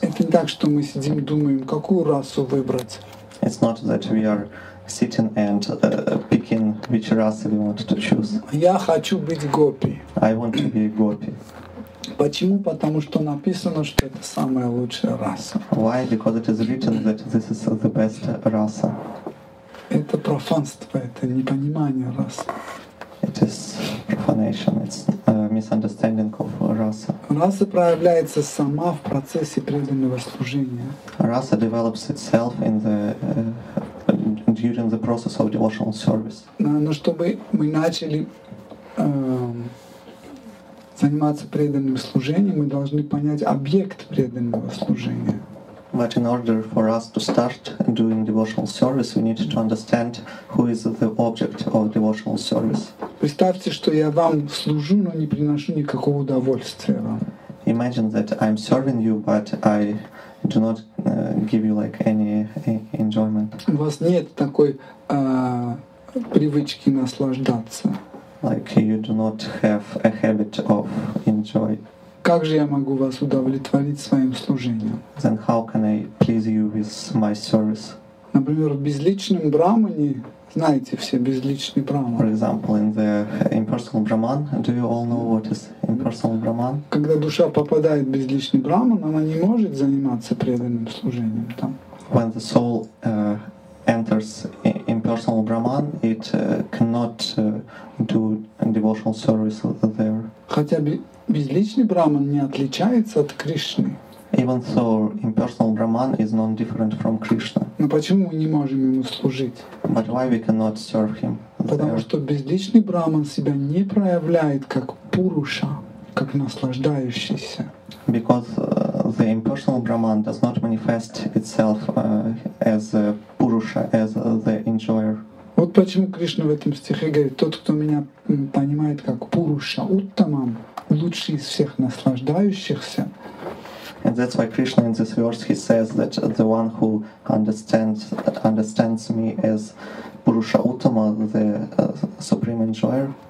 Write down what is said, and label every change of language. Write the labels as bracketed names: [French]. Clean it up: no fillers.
[Russian] Это не так, что мы сидим, думаем, какую расу выбрать. [English] It's not that we are sitting and picking which rasa we want to choose. [Russian] Я хочу быть гопи. [English] I want to be a gopi. [Russian] Почему? Потому что написано, что это самая лучшая раса. [English] Why? Because it is written that this is the best rasa. [Russian] Это профанство, это непонимание расы. [English] It is profanation, it's misunderstanding of rasa. [Russian] Раса проявляется сама в процессе преданного служения. [English] Rasa develops itself in the during the process of devotional service. [Russian] Но чтобы мы начали заниматься преданным служением, мы должны понять объект преданного служения. [English] But in order for us to start doing devotional service, we need to understand who is the object of devotional service. [Russian] Представьте, что я вам служу, но не приношу никакого удовольствия вам. [English] Imagine that I'm serving you, but I do not give you like any enjoyment. [Russian] У вас нет такой привычки наслаждаться. [English] Like you do not have a habit of enjoy. [Russian] Как же я могу вас удовлетворить своим служением? [English] Then how can I please you with my service? [Russian] Например, в безличном брамане, знаете все безличный браман. [English] For example, in the impersonal brahman, do you all know what is impersonal brahman? [Russian] Когда душа попадает в безличный браман, она не может заниматься преданным служением там. [English] When the soul enters impersonal brahman, it cannot do devotional service there. [Russian] Хотя безличный браман не отличается от Кришны. [English] Even though impersonal brahman is not different from Krishna. [Russian] Но почему мы не можем ему служить? [English] But why we cannot serve him? [Russian] Потому что безличный браман себя не проявляет как пуруша, как наслаждающийся. [English] Because the impersonal brahman does not manifest itself as a purusha, as the enjoyer. [Russian] Вот почему Кришна в этом стихе говорит: тот, кто меня понимает как пуруша, уттамам, лучший из всех наслаждающихся. [English] And that's why Krishna in this verse he says that the one who understands me as Purusha Uttama, the supreme enjoyer,